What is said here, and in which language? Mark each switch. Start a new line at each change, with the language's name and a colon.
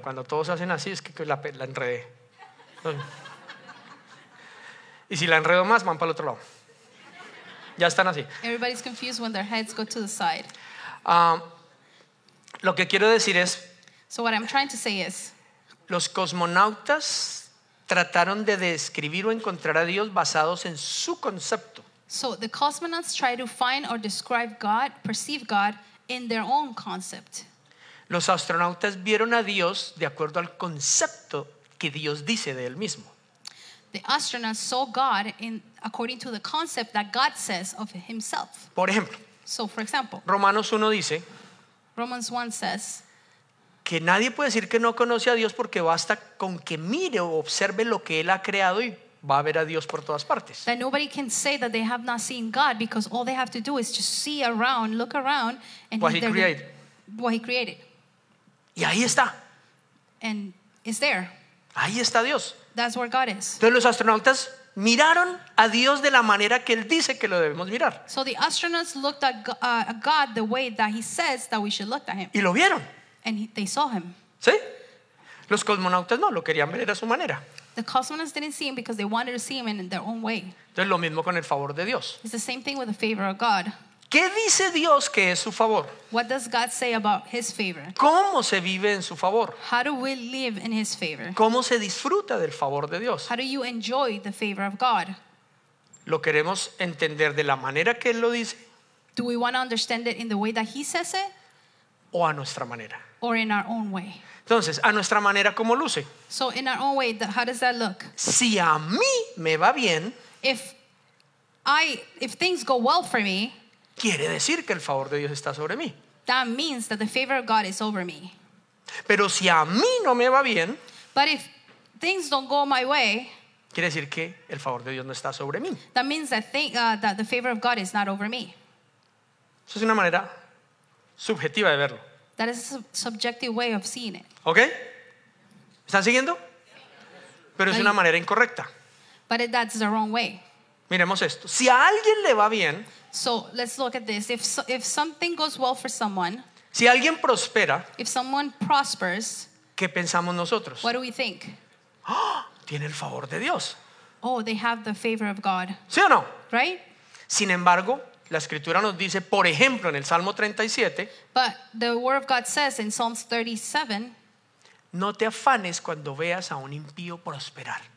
Spanish: Cuando todos hacen así, es que la enredé. Y si la enredo más, van para el otro lado. Ya están así.
English: Everybody's confused when their heads go to the side.
Spanish: Lo que quiero decir es.
English: So what I'm trying to say is.
Spanish: Los cosmonautas trataron de describir o encontrar a Dios basados en su concepto.
English: So the cosmonauts try to find or describe God, perceive God in their own concept.
Spanish: Los astronautas vieron a Dios de acuerdo al concepto que Dios dice de él mismo.
English: The astronauts saw God in according to the concept that God says of himself.
Spanish: Por ejemplo.
English: So for example.
Spanish: Romanos 1 dice.
English: Romans 1 says.
Spanish: Que nadie puede decir que no conoce a Dios porque basta con que mire o observe lo que él ha creado y va a ver a Dios por todas partes.
English: That nobody can say that they have not seen God because all they have to do is just see around, look around, and what he created.
Spanish: Y ahí está.
English: And it's there.
Spanish: Ahí está Dios.
English: That's where God is.
Spanish: Entonces los astronautas miraron a Dios de la manera que él dice que lo debemos mirar.
English: So the astronauts looked at God the way that he says that we should look at him.
Spanish: Y lo vieron.
English: And they saw him.
Spanish: ¿Sí? Los cosmonautas no, lo querían ver a su manera.
English: The cosmonauts didn't see him because they wanted to see him in their own way.
Spanish: Entonces lo mismo con el favor de Dios.
English: It's the same thing with the favor of God.
Spanish: ¿Qué dice Dios que es su favor?
English: What does God say about his favor?
Spanish: ¿Cómo se vive en su favor?
English: How do we live in his favor?
Spanish: ¿Cómo se disfruta del favor de Dios?
English: How do you enjoy the favor of God?
Spanish: Lo queremos entender de la manera que él lo dice.
English: Do we want to understand it in the way that he says it?
Spanish: O a nuestra manera.
English: Or in our own way.
Spanish: Entonces, a nuestra manera, ¿cómo luce?
English: So in our own way, how does that look?
Spanish: Si a mí me va bien,
English: if things go well for me,
Spanish: quiere decir que el favor de Dios está sobre mí.
English: That means that the favor of God is over me.
Spanish: Pero si a mí no me va bien,
English: but if things don't go my way,
Spanish: quiere decir que el favor de Dios no está sobre mí.
English: That means that the favor of God is not over me.
Spanish: Eso es una manera subjetiva de verlo.
English: That is a subjective way of seeing it.
Spanish: ¿Okay? ¿Están siguiendo? Pero es una manera incorrecta.
English: But that's the wrong way.
Spanish: Miremos esto. Si a alguien le va bien,
English: so let's look at this. If something goes well for someone,
Spanish: si alguien prospera,
English: if someone prospers,
Spanish: ¿qué pensamos nosotros?
English: What do we think?
Spanish: ¡Oh! Tiene el favor de Dios.
English: Oh, they have the favor of God.
Spanish: ¿Sí o no?
English: Right?
Spanish: Sin embargo, la escritura nos dice, por ejemplo, en el Salmo 37,
English: but the word of God says in Psalms 37,
Spanish: no te afanes cuando veas a un impío prosperar.